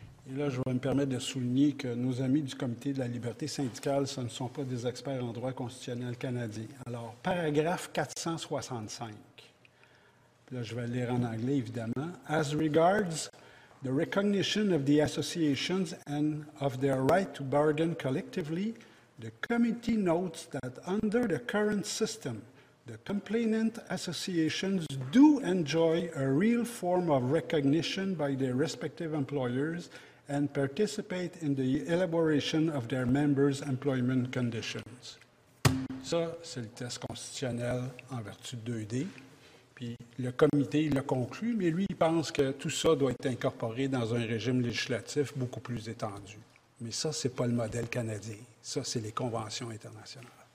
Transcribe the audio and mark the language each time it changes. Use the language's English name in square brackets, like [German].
[French] Et là, je vais me permettre de souligner que nos amis du Comité de la liberté syndicale, ce ne sont pas des experts en droit constitutionnel canadien. Alors, paragraphe 465. Là, je vais le lire en anglais, évidemment. [English] « As regards the recognition of the associations and of their right to bargain collectively, the committee notes that under the current system, the complainant associations do enjoy a real form of recognition by their respective employers and participate in the elaboration of their members' employment conditions. » [French] Ça, c'est le test constitutionnel en vertu de 2D. Puis le comité l'a conclu, mais lui, il pense que tout ça doit être incorporé dans un régime législatif beaucoup plus étendu. Mais ça, ce n'est pas le modèle canadien. Ça, c'est les conventions internationales.